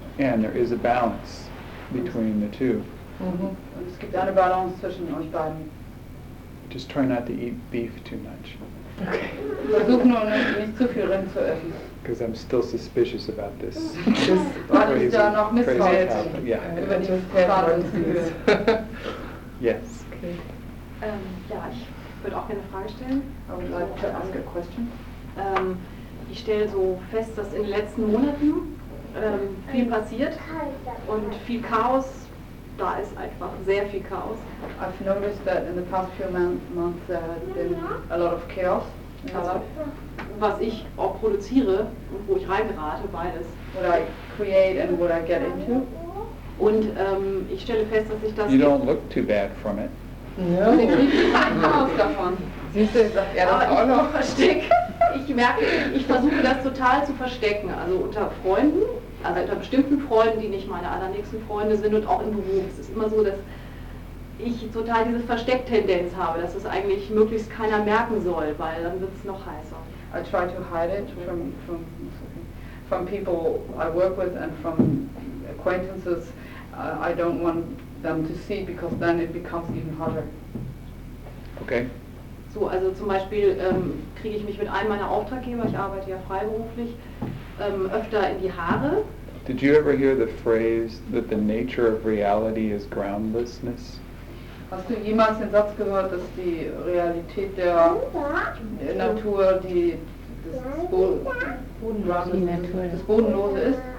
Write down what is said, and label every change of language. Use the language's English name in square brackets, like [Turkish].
[English] And there is a balance between the two. Mm-hmm. [German] Und es gibt eine Balance zwischen euch beiden. [English] Just try not to eat beef too much. Okay. [German] Versuch nur nicht zu viel Rind zu essen. [English] Because I'm still suspicious about this. [German] Weil ich da noch misstrauisch bin. [English] Yeah. [German] Über die Fahrerin zu hören. Yes. [English] Okay. [German] Ja, ich würde auch gerne eine Frage stellen. [English] I would like to ask a question. [German] Ich stelle so fest, dass in den letzten Monaten viel passiert und viel Chaos, da ist einfach sehr viel Chaos. [English] I've noticed that in the past few months there's been a lot of chaos. [German] Was ich auch produziere und wo ich reingerate, beides. [English] What I create and what I get into. [German] Und ich stelle fest, dass ich das... [English] You don't look too bad from it. No. [German] Ich merke, ich versuche das total zu verstecken, also unter Freunden, also unter bestimmten Freunden, die nicht meine allernächsten Freunde sind und auch im Beruf. Es ist immer so, dass ich total diese Verstecktendenz habe, dass es eigentlich möglichst keiner merken soll, weil dann wird es noch heißer. [English] I try to hide it from people I work with and from acquaintances. I don't want them to see, because then it becomes even harder. Okay. [German] So, also zum Beispiel kriege ich mich mit einem meiner Auftraggeber, ich arbeite ja freiberuflich, öfter in die Haare. [English] Did you ever hear the phrase that the nature of reality is groundlessness? [German] Hast du jemals den Satz gehört, dass die Realität der Natur das Bodenlose ist?